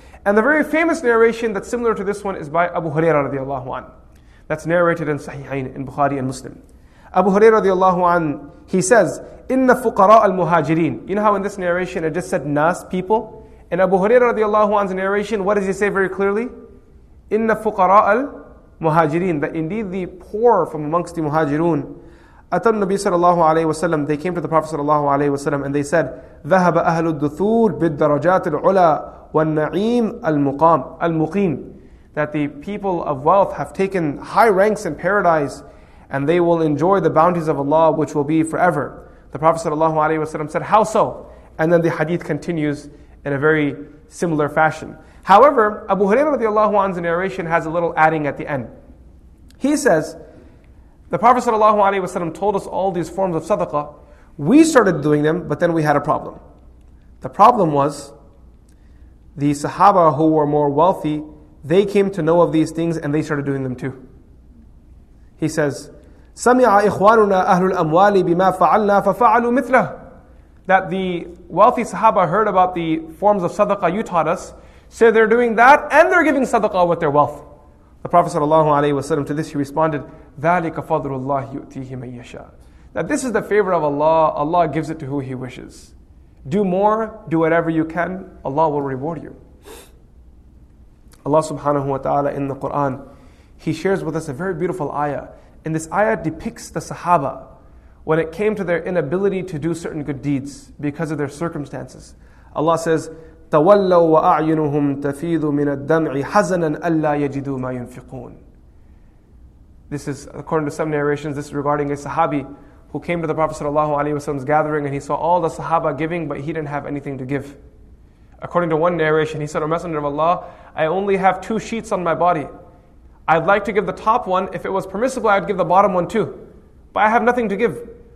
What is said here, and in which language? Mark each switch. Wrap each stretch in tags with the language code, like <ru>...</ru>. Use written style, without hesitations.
<en>And the very famous narration that's similar to this one is by Abu Huraira radiallahu anh. That's narrated in Sahihain, in Bukhari and Muslim. Abu Huraira radiallahu anh, he says,</en> <ar>إِنَّ فُقَرَاءَ الْمُهَاجِرِينَ.</ar> <en>You know how in this narration it just said Nas, people? In Abu Huraira radiallahu anh's narration, what does he say very clearly?</en> <ar>إِنَّ فُقَرَاءَ الْمُهَاجِرِينَ.</ar> <en>That indeed the poor from amongst the muhajirun,</en> <ar>أَتَنُ النَّبِي صَلَى اللَّهُ عَلَيْهِ وَسَلَّمَ,</ar> <en>they came to the Prophet صلى الله عليه وسلم and they said,</en> <ar>ذَهَبَ أَهْلُ الدُّثُورِ بِالدَّرَجَاتِ الْعُلَى وَالنَّعِيمِ الْمُقَامِ الْمُقِيمِ.</ar> <en>That the people of wealth have taken high ranks in paradise and they will enjoy the bounties of Allah which will be forever. The Prophet sallallahu alaihi wasallam said, how so? And then the hadith continues in a very similar fashion. However, Abu Huraira radiallahu anhu's narration has a little adding at the end. He says, the Prophet sallallahu alaihi wasallam told us all these forms of sadaqah. We started doing them, but then we had a problem. The problem was, the sahaba who were more wealthy, they came to know of these things and they started doing them too. He says,</en> <ar>سَمِعَ إِخْوَانُنَا أَهْلُ الْأَمْوَالِ بِمَا فَعَلْنَا فَفَعَلُوا مِثْلَهُ.</ar> <en>That the wealthy sahaba heard about the forms of sadaqah you taught us, so they're doing that and they're giving sadaqah with their wealth. The Prophet sallallahu alaihi wasallam to this, he responded,</en> <ar>ذَلِكَ فَضْلُ اللَّهِ يُؤْتِيهِ مَنْ يَشَاءُ.</ar> <en>That this is the favor of Allah, Allah gives it to who He wishes. Do more, do whatever you can, Allah will reward you. Allah subhanahu wa ta'ala in the Qur'an, He shares with us a very beautiful ayah. And this ayah depicts the sahaba when it came to their inability to do certain good deeds because of their circumstances. Allah says,</en> <ar>تَوَلَّوا وَأَعْيُنُهُمْ تَفِيذُ مِنَ الدَّمْعِ حَزَنًا أَلَّا يَجِدُوا مَا يُنْفِقُونَ.</ar> <en>This is, according to some narrations, this is regarding a sahabi who came to the Prophet sallallahu alaihi wasallam's gathering and he saw all the sahaba giving but he didn't have anything to give. According to one narration, he said, O Messenger of Allah, I only have two sheets on my body. I'd like to give the top one. If it was permissible, I'd give the bottom one too. But I have nothing to give.</en>